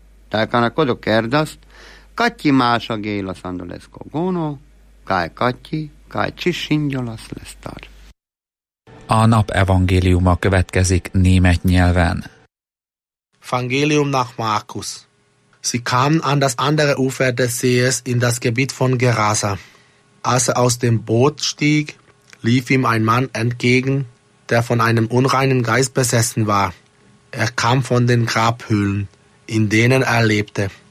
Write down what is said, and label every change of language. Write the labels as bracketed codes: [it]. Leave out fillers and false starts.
[rom] Tak ana kodo kerdast, kati maša gejla sandolesko gono, kaj kati, kaj čišinjolas lestar. [hu] A nap evangéliuma következik német nyelven. [de] Evangelium nach Markus. Sie kamen an das andere Ufer des Sees in das Gebiet von Gerasa. Als er aus dem Boot stieg, lief ihm ein Mann entgegen, der von einem unreinen Geist besessen war. Er kam von den Grabhöhlen, in denen er lebte.